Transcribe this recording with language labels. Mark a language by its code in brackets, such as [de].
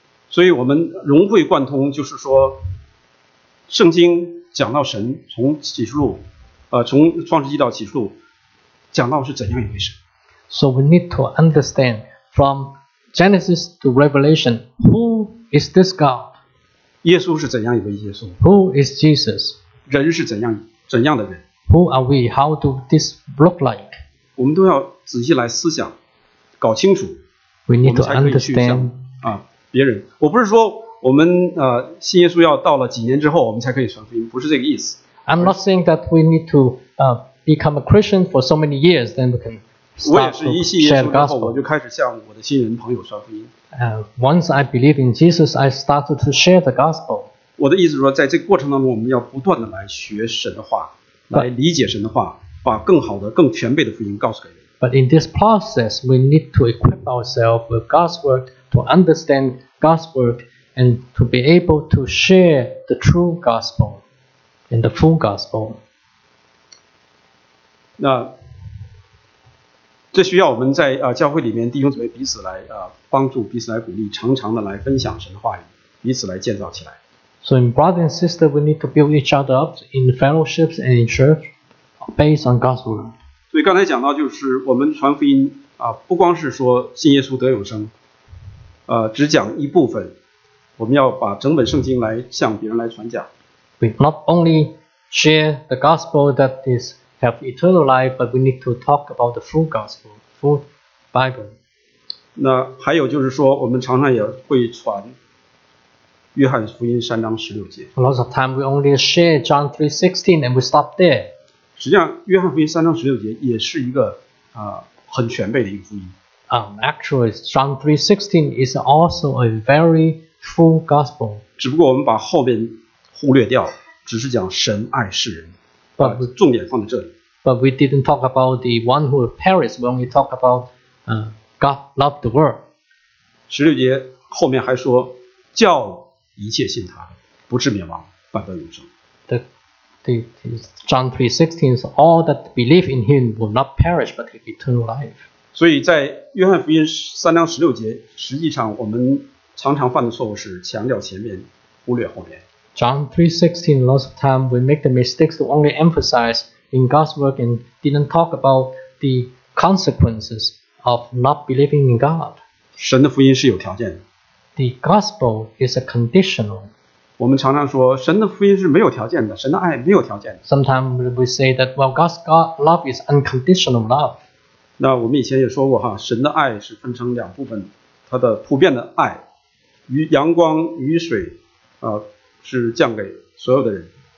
[zh] 所以我们融会贯通就是说圣经讲到神从启示录从创世纪到启示录讲到是怎样一回事。 [en] So we need to understand from Genesis to Revelation, who is this God? [zh] 耶稣是怎样一位耶稣？ [en] Who is Jesus? [zh] 人是怎样的人？ [en] Who are we? How do this look like? [zh] 我们都要仔细来思想，搞清楚。 [en] We need to understand. [zh] 别人，我不是说我们信耶稣要到了几年之后我们才可以传福音，不是这个意思。 [en] I'm not saying that we need to become a Christian for so many years then we can. [zh] 我也是一信耶稣之后，我就开始向我的亲人朋友传福音。 [en] Once I believe in Jesus, I started to share the gospel. [zh] 我的意思是说，在这个过程当中，我们要不断的来学神的话，来理解神的话，把更好的、更全备的福音告诉给人。 [en] But in this process, we need to equip ourselves with God's word to understand God's word and to be able to share the true gospel and the full gospel. [zh] 那这需要我们在教会里面弟兄姊妹彼此来帮助，彼此来鼓励，常常的来分享神的话语，彼此来建造起来。 [en] So in brother and sister, we need to build each other up in fellowships and in church based on God's word. [zh] 所以刚才讲到就是我们传福音不光是说信耶稣得永生，只讲一部分，我们要把整本圣经来向别人来传讲。 [en] We not only share the gospel that is have eternal life, but we need to talk about the full gospel, full Bible. [zh] 那还有就是说，我们常常也会传约翰福音三章十六节。 [en] A lot of time we only share John 3:16 and we stop there. [zh] 实际上，约翰福音三章十六节也是一个很全备的一个福音。 [en] Actually, John 3:16 is also a very full gospel. [zh] 只不过我们把后面忽略掉，只是讲神爱世人。重点放在这里。 [en] But we didn't talk about the one who perish, we only talk about God loved the world. [zh] 十六节后面还说，叫一切信他的，不至灭亡，反得永生。 [en] The John 3:16 is all that believe in him will not perish, but have eternal life. [zh] 所以在约翰福音三章十六节，实际上我们常常犯的错误是强调前面，忽略后面。 [en] John 3:16, lots of time we make the mistakes to only emphasize in God's work and didn't talk about the consequences of not believing in God. [zh] 神的福音是有条件的。 [en] The gospel is a conditional. [zh] 我们常常说神的福音是没有条件的，神的爱没有条件的。 [en] Sometimes we say that, well, God's love is unconditional love. [zh] 那我们以前也说过哈，神的爱是分成两部分，它的普遍的爱，与阳光、雨水，是降给所有的人。